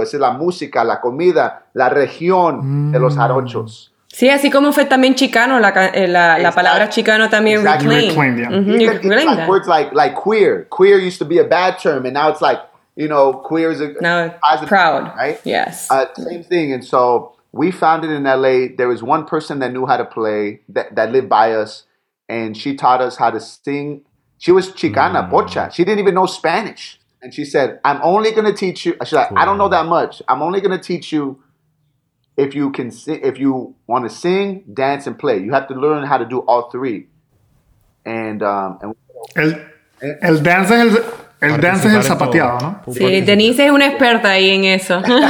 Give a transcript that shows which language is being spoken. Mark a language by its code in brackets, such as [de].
[es] Esa es la música, la comida, la región de los jarochos. Sí, así como fue también chicano, la palabra chicano también. [en] Exactly. Reclaimed. Yeah. Mm-hmm. Words like queer. Queer used to be a bad term, and now it's like, you know, queer is a now positive proud term, right? Yes. Same thing. And so we found it in L.A. There was one person that knew how to play, that lived by us, and she taught us how to sing. She was chicana, bocha. She didn't even know Spanish. And she said, I'm only going to teach you. She's like, cool. I don't know that much. I'm only going to teach you. If you can sing, if you want to sing, dance, and play, you have to learn how to do all three. [es] El dance es el dance es el zapateado, ¿no? Sí, Denise es una experta ahí en eso.